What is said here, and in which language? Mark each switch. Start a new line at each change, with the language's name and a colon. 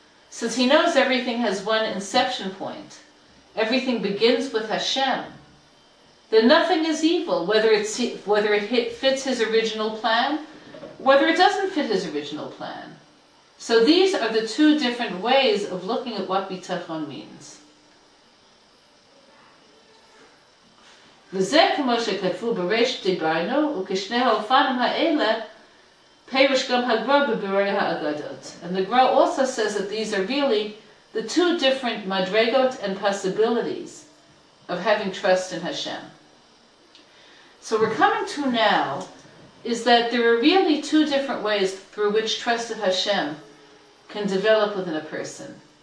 English: Since he knows everything has one inception point, everything begins with Hashem. Then nothing is evil, whether it fits his original plan, whether it doesn't fit his original plan. So these are the two different ways of looking at what bitachon means.
Hebrew: וזה כמו שכתבו בראש דיברנו, וכשני האופנים האלה, פירוש גם הגרא בבירורי האגדות.
English: And the Gra also says that these are really the two different madregot and possibilities of having trust in Hashem. So we're coming to now is that there are really two different ways through which trust of Hashem can develop within a person.